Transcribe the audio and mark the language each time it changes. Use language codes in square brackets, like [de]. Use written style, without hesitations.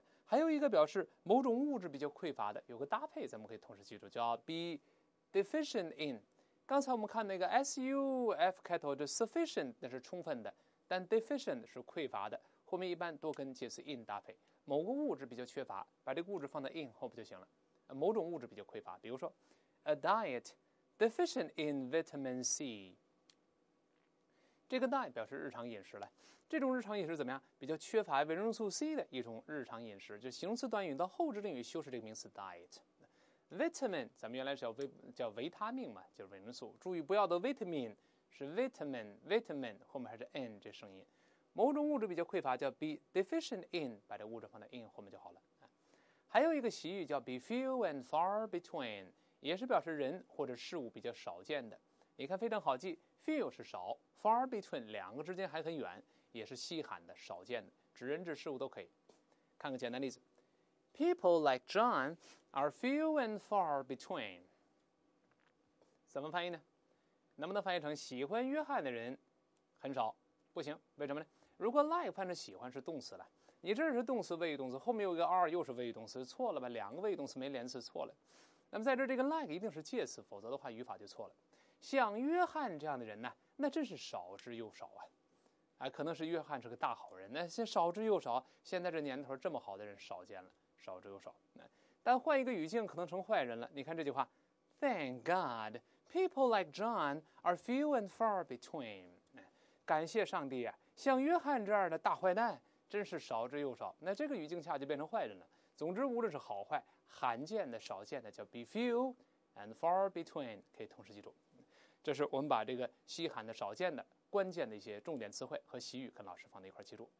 [zh] 还有一个表示某种物质比较匮乏的，有个搭配咱们可以同时记住，叫 beDeficient in，刚才我们看那个 suf 开头就 sufficient， 那是充分的，但 deficient 是匮乏的，后面一般多跟介词 in 搭配。某个物质比较缺乏，把这个物质放在 in 后不就行了？某种物质比较匮乏，比如说 [en] a diet deficient in vitamin C。 [zh] 这个 diet 表示日常饮食了，这种日常饮食怎么样？比较缺乏维生素 C 的一种日常饮食，就形容词短语到后置定语修饰这个名词 diet。 Vitamin， 咱们原来是叫维他命嘛，就是维生素。注意不要读 vitamin， 是 vitamin， 后面还是 n 这声音。某种物质比较匮乏叫 [en] be deficient in， [zh] 把这物质放在 in 后面就好了。还有一个习语叫 [en] be few and far between， [zh] 也是表示人或者事物比较少见的。你看非常好记 ，few 是少 ，far between 两个之间还很远，也是稀罕的、少见的，指人指事物都可以。看个简单例子。 [en] People like John are few and far between. [zh] 怎么翻译呢？能不能翻译成喜欢约翰的人很少？不行，为什么呢？如果 like 翻译成喜欢是动词了，你这是动词谓语动词，后面有一个 are 又是谓语动词，错了吧？两个谓语动词没连词错了。那么在这个 like 一定是介词，否则的话语法就错了。像约翰这样的人呢，那真是少之又少啊。哎，可能是约翰是个大好人，那些少之又少，现在这年头这么好的人少见了。少之又少，但换一个语境可能成坏人了。你看这句话 [en] ，Thank God, people like John are few and far between。 [zh] 感谢上帝啊，像约翰这样的大坏蛋真是少之又少。那这个语境下就变成坏人了。总之，无论是好坏，罕见的、少见的，叫 [en] be few and far between， [zh] 可以同时记住。这是我们把这个稀罕的、少见的、关键的一些重点词汇和习语跟老师放在一块记住。